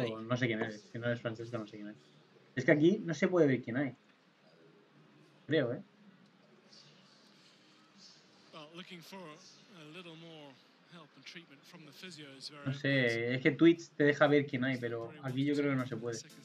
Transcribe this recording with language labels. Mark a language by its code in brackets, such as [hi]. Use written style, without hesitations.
[es] No sé quién eres. Si no eres Francesco, no sé quién eres. Es que aquí no se puede ver quién hay. Creo, ¿eh? [en] Looking for a little more help and treatment from the physios. [es] No sé, es que Twitch te deja ver quién hay, pero aquí yo creo que no se puede.